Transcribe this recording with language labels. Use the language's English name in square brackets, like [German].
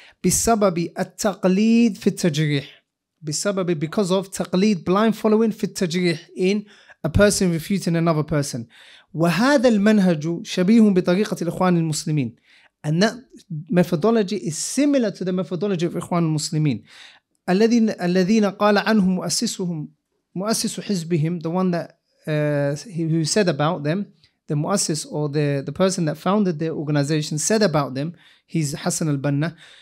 [Arabic] بسببي التقليد في التجريح. بسببي, [English] because of [Arabic] تقليد, [English] blind following, [Arabic] في التجريح, [English] in a person refuting another person. [Arabic] وهذا المنهج شبيه بطريقة الإخوان المسلمين. [English] And that methodology is similar to the methodology of Ikhwan al-Muslimin. [Arabic] الَّذِينَ قَالَ عَنْهُمْ مُؤَسِّسُ حِزْبِهِمْ, [English] the one that who said about them, the muassis or the person that founded their organization said about them, he's Hassan al-Banna.